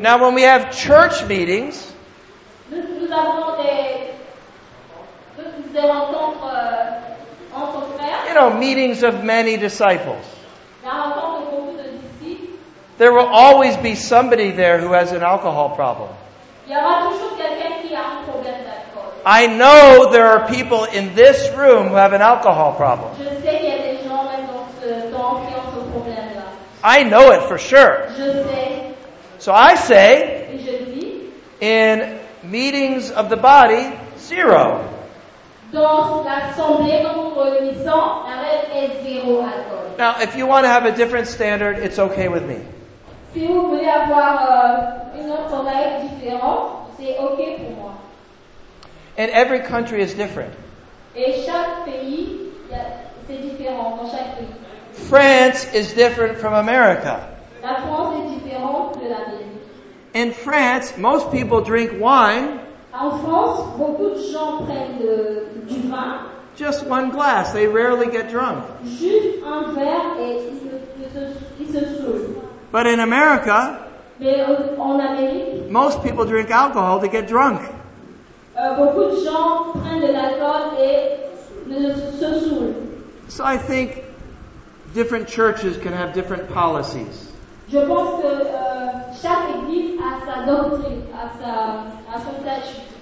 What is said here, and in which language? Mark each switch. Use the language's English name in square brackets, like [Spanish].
[English] Now when we have church meetings, [French] nous avons des rencontres entre frères. [English] You know, meetings of many disciples. [French] La rencontre de beaucoup de disciples. [English] There will always be somebody there who has an alcohol problem. [French] Il y aura toujours quelqu'un qui a un problème d'alcool. [English] I know there are people in this room who have an alcohol problem. [French] Je sais qu'il y a des gens même dans ce temps qui ont ce problème-là. [English] I know it for sure. [French] Je sais. [English] So I say, [French] dis, [English] in meetings of the body, zero. [French] Dans l'assemblée, en réunissant, la règle est zéro alcool. [English] Now, if you want to have a different standard, it's okay with me. [French] Si vous voulez avoir une autre règle différente, c'est ok pour moi. [English] And every country is different. [French] Et chaque pays, c'est différent dans chaque pays. [English] France is different from America. [French] La France est différente de l'Amérique. [English] In France, most people drink wine. [French] En France, beaucoup de gens prennent du vin. [English] Just one glass. They rarely get drunk. [French] Juste un verre et ils se saoulent. [English] But in America, [French] mais en Amérique, [English] most people drink alcohol to get drunk. [French] Beaucoup de gens prennent de l'alcool et se saoulent. [English] So I think different churches can have different policies. [French] Je pense que chaque église a sa doctrine, a son statut.